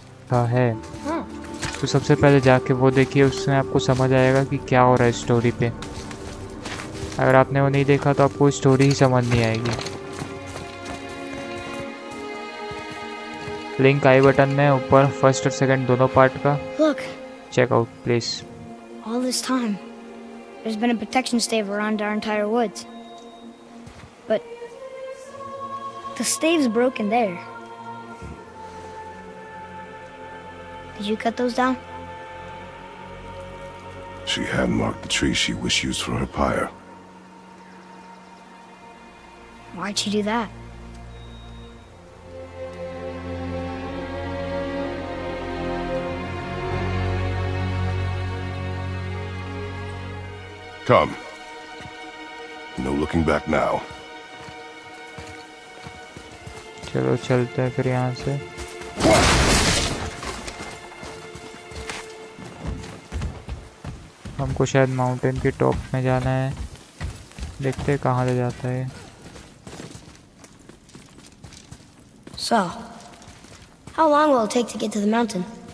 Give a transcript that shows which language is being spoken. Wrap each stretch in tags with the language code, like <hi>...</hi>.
<hi>हाँ है, तो सबसे पहले जाके वो देखिए, उसमें आपको समझ आएगा कि क्या हो रहा है स्टोरी पे। अगर आपने वो नहीं देखा तो आपको स्टोरी ही समझ नहीं आएगी। लिंक आई बटन में ऊपर, फर्स्ट और सेकंड दोनों पार्ट का check out please.</hi> <en>All this time, there's been a protection stave around our entire woods, but the stave's broken there. Did you cut those down? She had marked the tree she wished used for her pyre. Why'd she do that? Come. No looking back now.</en> <hi>चलो चलते हैं फिर यहाँ से। हमको शायद mountain के top में जाना है, देखते हैं कहाँ ले जाता है।</hi> <en>So, how long will it take to get to the mountain?</en>